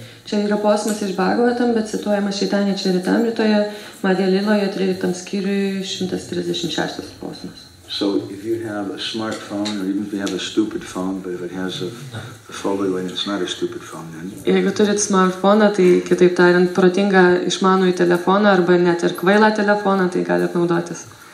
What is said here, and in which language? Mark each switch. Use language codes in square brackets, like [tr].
[lt] Čia yra posmas iš Bhagavatam, bet cituojama Čaitanya Čaritamritoje, Madhya Liloje 13 skyriuje 136 posmas. [en] So if you have a smartphone or even if you have a stupid phone, but if it has a folio and it's not a stupid phone then. [lt] Jeigu turit smartphoną, tai kitaip tariant protingą išmanųjį telefoną arba net ir kvailą telefoną, tai galit naudotis.